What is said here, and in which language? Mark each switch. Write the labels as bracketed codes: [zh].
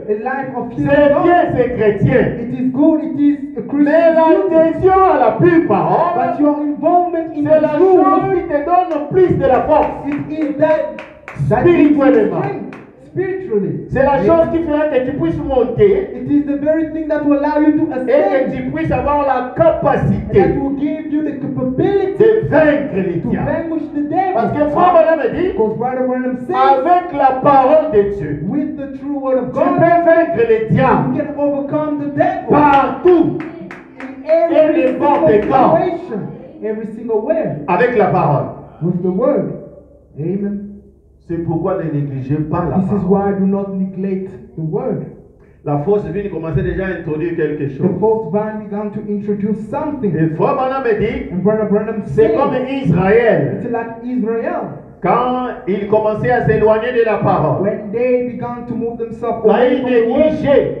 [en] A life of fear. [fr] C'est bien, c'est chrétien. [en] It is good, it is a Christian. [fr] Mais l'attention à la pure parole. [en] But your involvement in [fr] c'est la chose qui te donne plus de la force. [en] It is that [fr] spirituellement. [en] Spiritually. [fr] C'est la chose qui fera que tu puisses monter. [en] It is the very thing that will allow you to ascend. [fr] Et que tu puisses avoir la capacité. [en] And that will give you the capability [fr] de vaincre les [en] to vanquish the devil. [fr] Parce que Frère Bonhomme dit, [en] because right away I'm [fr] saying, avec la parole de Dieu, [en] with the true word of God, [fr] tu peux vaincre les diables. [en] You can overcome the devil. [fr] Partout. [en] In every single situation. Every single where. [fr] Avec la parole. [en] With the word. Amen. [fr] C'est pourquoi ne négligez pas la [en] this [fr] parole. [en] Is why I do not neglect the word. [fr] La fausse vie commençait déjà à introduire quelque chose. [en] The false vine began to introduce something. [fr] Et Frère Branham dit, [en] and Brother Branham [fr] c'est said, comme Israël. [en] It's like Israel. [fr] Quand ils commençaient à s'éloigner de la parole. [en] When they began to move themselves away from the word.